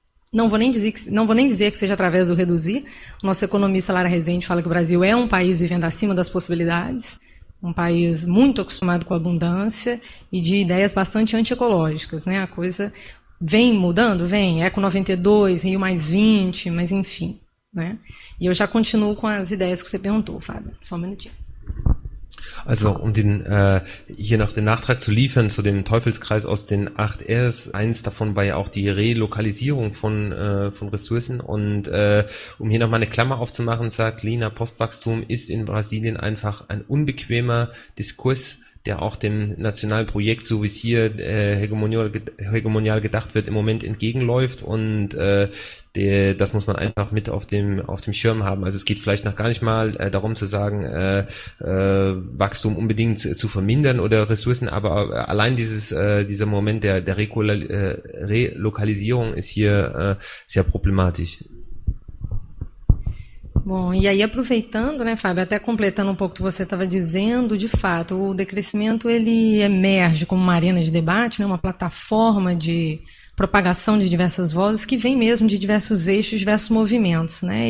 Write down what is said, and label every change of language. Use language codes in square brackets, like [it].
[pt] Não vou nem dizer que seja através do reduzir. Nosso economista Lara Rezende fala que o Brasil é um país vivendo acima das possibilidades, um país muito acostumado com abundância e de ideias bastante antiecológicas, né? A coisa vem mudando, vem, Eco 92, Rio mais 20, mas enfim, né? E eu já continuo com as ideias que você perguntou, Fábio, só um minutinho. [de] Also um den hier noch den Nachtrag zu liefern zu dem Teufelskreis aus den 8 R's, eins davon war ja auch die Relokalisierung von Ressourcen und um hier nochmal eine Klammer aufzumachen, sagt Lina, Postwachstum ist in Brasilien einfach ein unbequemer Diskurs, der auch dem nationalen Projekt, so wie es hier hegemonial gedacht wird, im Moment entgegenläuft und das muss man einfach mit auf dem Schirm haben. Also es geht vielleicht noch gar nicht mal darum zu sagen, Wachstum unbedingt zu vermindern oder Ressourcen, aber allein dieser Moment der Relokalisierung ist hier sehr problematisch. [pt] Bom, e aí aproveitando, né, Fábio, até completando um pouco o que você estava dizendo, de fato, o decrescimento ele emerge como uma arena de debate, né, uma plataforma de propagação de diversas vozes que vem mesmo de diversos eixos, diversos movimentos, né?